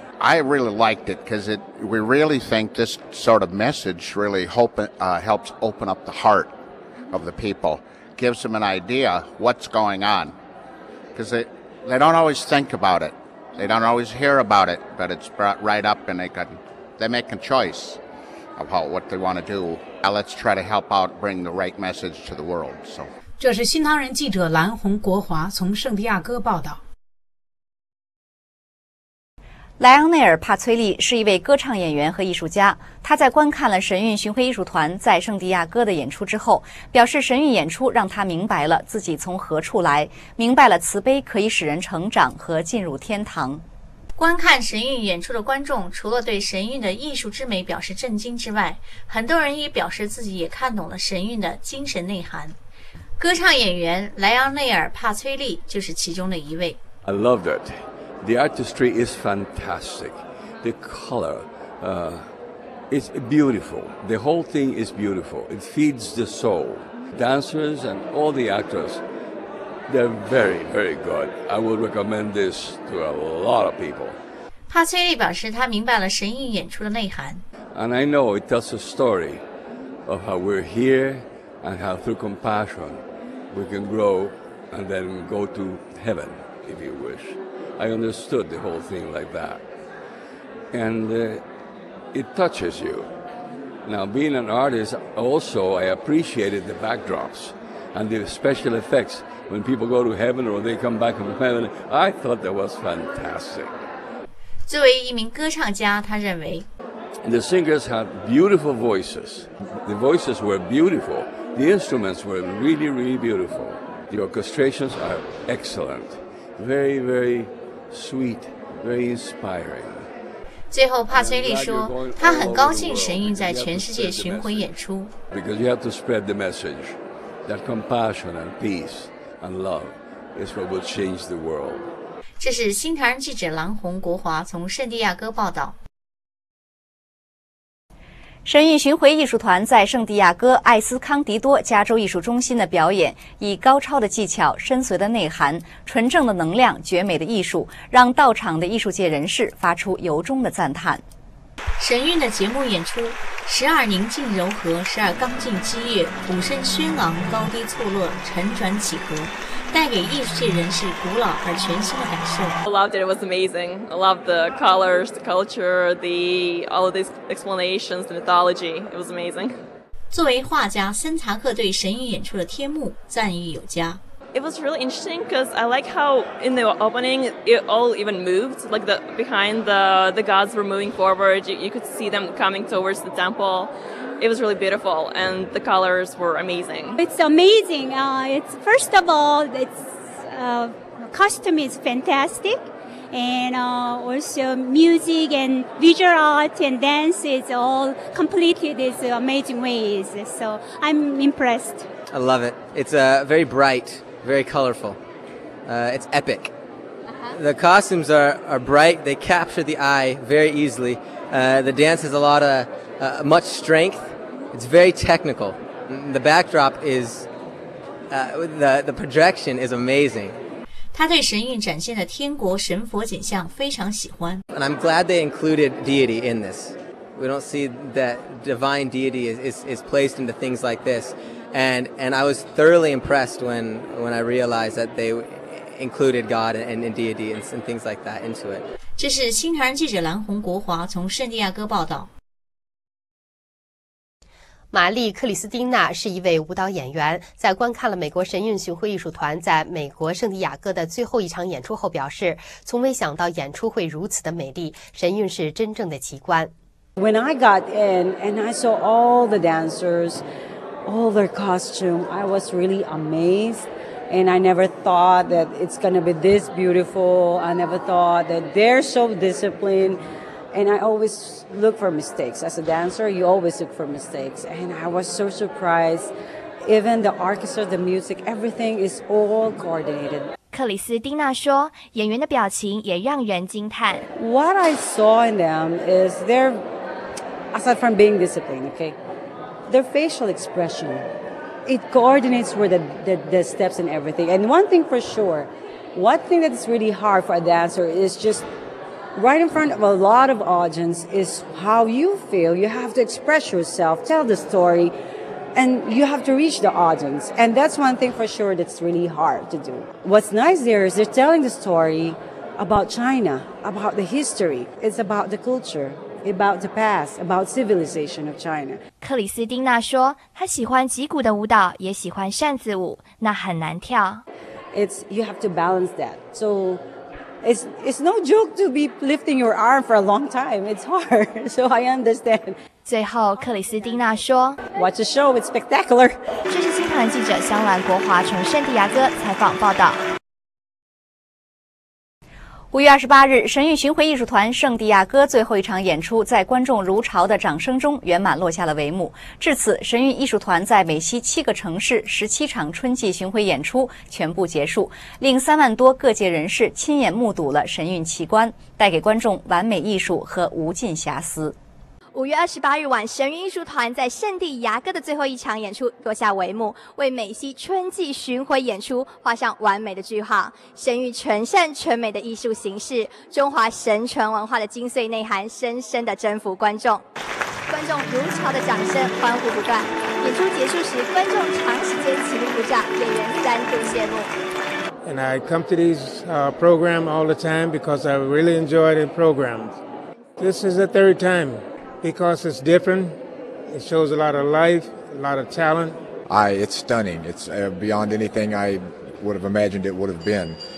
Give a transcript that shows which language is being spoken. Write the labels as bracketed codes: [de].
[en] I really liked it because we really think this sort of message really helps open up the heart of the people, gives them an idea what's going on. Because they don't always think about it. They don't always hear about it, but it's brought right up and they make a choice about what they want to do. Now let's try to help out bring the right message to the world. So. [zh] 这是新唐人记者蓝红国华从圣地亚哥报道。莱昂内尔·帕崔利是一位歌唱演员和艺术家，他在观看了神韵巡回艺术团在圣地亚哥的演出之后表示，神韵演出让他明白了自己从何处来，明白了慈悲可以使人成长和进入天堂。观看神韵演出的观众除了对神韵的艺术之美表示震惊之外，很多人也表示自己也看懂了神韵的精神内涵。歌唱演员莱昂内尔·帕崔利就是其中的一位。 [en] I loved itThe artistry is fantastic. The color, it's beautiful. The whole thing is beautiful. It feeds the soul. Dancers and all the actors, they're very, very good. I would recommend this to a lot of people. [zh] 帕崔利表示他明白了神韵演出的内涵。 [en] And I know it tells a story of how we're here and how through compassion we can grow and then go to heaven, if you wish. I understood the whole thing like that. And it touches you. Now, being an artist, also, I appreciated the backdrops and the special effects. When people go to heaven or they come back from heaven, I thought that was fantastic. [zh] 作为一名歌唱家，他认为 [en] The singers had beautiful voices. The voices were beautiful. The instruments were really, really beautiful. The orchestrations are excellent. Very, very... Sweet, very inspiring. [zh] 最后帕崔利说他很高兴神韵在全世界巡回演出。 [en] Because you have to spread the message that compassion and peace and love is what will change the world. [zh] 这是新唐人记者蓝红国华从圣地亚哥报道。神韵巡回艺术团在圣地亚哥艾斯康迪多加州艺术中心的表演，以高超的技巧、深邃的内涵、纯正的能量、绝美的艺术，让到场的艺术界人士发出由衷的赞叹。神韵的节目演出，时而宁静柔和，时而刚劲激烈，鼓声轩昂，高低错落，沉转起伏，带给艺术界人士古老而全新的感受。 [en] I loved it. It was amazing. I loved the colors, the culture, the all of these explanations, the mythology. It was amazing. [zh] 作为画家森查克对神韵演出的天幕赞誉有加。 [en] It was really interesting because I like how in the opening it all even moved. Like the, behind the gods were moving forward. You could see them coming towards the temple. It was really beautiful and the colors were amazing. It's amazing. It's, first of all, it's, costume is fantastic. And also music and visual art and dance is all completely this amazing ways. So I'm impressed. I love it. It's very bright. Very colorful. It's epic. The costumes are bright. They capture the eye very easily. The dance has a lot of much strength. It's very technical. The backdrop is, the projection is amazing. [zh] 他对神韵展现的天国神佛景象非常喜欢。 [en] And I'm glad they included deity in this. We don't see that divine deity is placed into things like this. And I was thoroughly impressed when I realized that they included God and deity and things like that into it. [zh] 这是新唐人记者蓝红国华从圣地亚哥报道。玛丽·克里斯丁娜是一位舞蹈演员，在观看了美国神韵巡回艺术团在美国圣地亚哥的最后一场演出后表示，从未想到演出会如此的美丽，神韵是真正的奇观。 [en] When I got in and I saw all the dancers,All their costume, I was really amazed, and I never thought that it's going to be this beautiful. I never thought that they're so disciplined, and I always look for mistakes. As a dancer, you always look for mistakes, and I was so surprised. Even the orchestra, the music, everything is all coordinated. [zh] 克里斯丁娜说，演员的表情也让人惊叹。 [en] What I saw in them is they're, aside from being disciplined, okay? Their facial expression, it coordinates with the steps and everything. And one thing for sure, one thing that's really hard for a dancer is just right in front of a lot of audience is how you feel. You have to express yourself, tell the story, and you have to reach the audience. And that's one thing for sure that's really hard to do. What's nice there is they're telling the story about China, about the history. It's about the culture. about the past, about civilization of China. [zh] 克里斯丁娜说，她喜欢击鼓的舞蹈，也喜欢扇子舞，那很难跳。 [en] It's you have to balance that. So it's no joke to be lifting your arm for a long time. It's hard. So I understand. [zh] 最后，克里斯丁娜说 [en] ，Watch the show. It's spectacular. [zh] 这是新闻记者香兰国华从圣地亚哥采访报道。 5月28日，神韵巡回艺术团圣地亚哥最后一场演出在观众如潮的掌声中圆满落下了帷幕。至此，神韵艺术团在美西七个城市17场春季巡回演出全部结束，令3万多各界人士亲眼目睹了神韵奇观，带给观众完美艺术和无尽瑕疵。 5月28日晚，神韵艺术团在圣地亚哥的最后一场演出落下帷幕，为美西春季巡回演出画上完美的句号。神韵全盛全美的艺术形式，中华神传文化的精髓内涵，深深地征服观众。观众如潮的掌声，欢呼不断。演出结束时，观众长时间起立鼓掌，演员三度谢幕。 [en] And I come to this program all the time because I really enjoy the program. This is the third time. Because it's different, it shows a lot of life, a lot of talent. It's stunning. It's beyond anything I would have imagined it would have been.